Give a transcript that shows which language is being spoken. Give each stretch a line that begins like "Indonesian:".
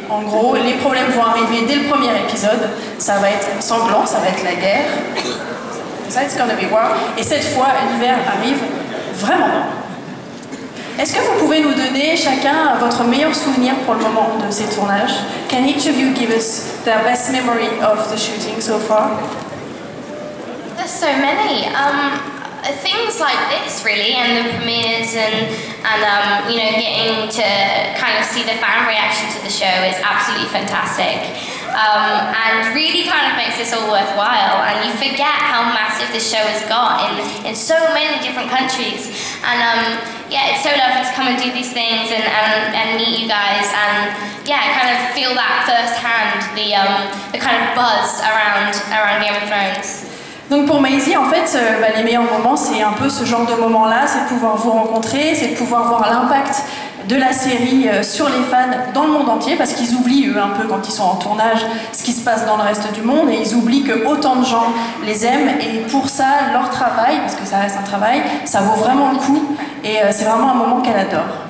French: En gros, les problèmes vont arriver dès le premier épisode, ça va être sanglant, ça va être la guerre.
English: It's gonna be war.
French: Et cette fois, l'hiver arrive vraiment. Est-ce que vous pouvez nous donner chacun votre meilleur souvenir pour le moment de ces tournages?
English: Can each of you give us their best memory of the shooting so far? The there's so many. Things like this, really, and the premieres, and you know, getting to kind of see the fan reaction to the show is absolutely fantastic. And really kind of makes this all worthwhile, and you forget how massive the show has got in so many different countries. And it's so lovely to come and do these things and meet you guys, and yeah, kind of feel that firsthand, the kind of buzz around Game of Thrones.
French: Donc pour Maisie, en fait, les meilleurs moments, c'est un peu ce genre de moment-là, c'est de pouvoir vous rencontrer, c'est de pouvoir voir l'impact de la série sur les fans dans le monde entier, parce qu'ils oublient, eux, un peu, quand ils sont en tournage, ce qui se passe dans le reste du monde, et ils oublient que autant de gens les aiment, et pour ça, leur travail, parce que ça reste un travail, ça vaut vraiment le coup, et c'est vraiment un moment qu'elle adore.